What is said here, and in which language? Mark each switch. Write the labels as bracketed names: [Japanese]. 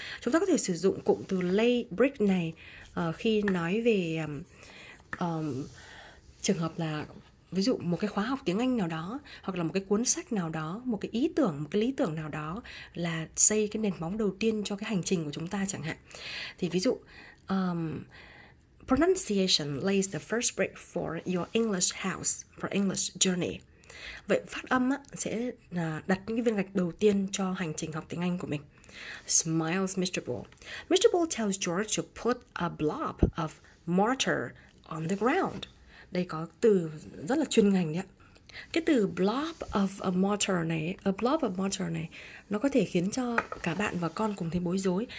[Vietnamese] Chúng ta có thể sử dụng cụm từ lay brick này khi nói về trường hợp là ví dụ một cái khóa học tiếng Anh nào đó, hoặc là một cái cuốn sách nào đó, một cái ý tưởng, một cái lý tưởng nào đó là xây cái nền móng đầu tiên cho cái hành trình của chúng ta chẳng hạn. Thì ví dụ [English] pronunciation lays the first brick for your English house, for English journey. [Vietnamese] Vậy phát âm á, sẽ đặt những viên gạch đầu tiên cho hành trình học tiếng Anh của mình. [English] Smiles Mr. Bull. Mr. Bull tells George to put a blob of mortar on the ground. [Vietnamese] Đây có từ rất là chuyên ngành đấy. Cái từ [English] blob of a mortar [Vietnamese] này, [English] a blob of mortar [Vietnamese] này, nó có thể khiến cho cả bạn và con cùng thấy bối rối.